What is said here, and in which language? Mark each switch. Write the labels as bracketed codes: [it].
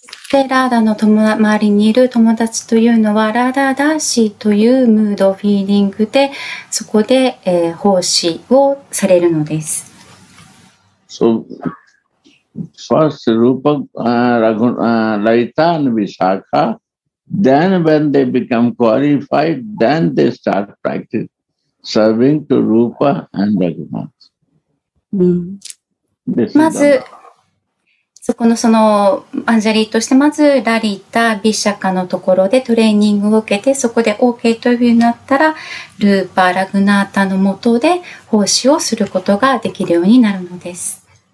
[ja] で、ラーダの周りにいる友達というのは、ラーダ・ダーシーというムード、フィーリングで、そこで、奉仕をされるのです。 [en] So, first, Rupa, Raita and Vishakha, then when they become qualified, then they start practice serving to Rupa and Raghunath. [ja] まず、そこのそのアンジャリーとしてまずラリータ・ビシャカのところでトレーニングを受けてそこで OK というふうになったらルーパー・ラグナータのもとで奉仕をすることができるようになるのです。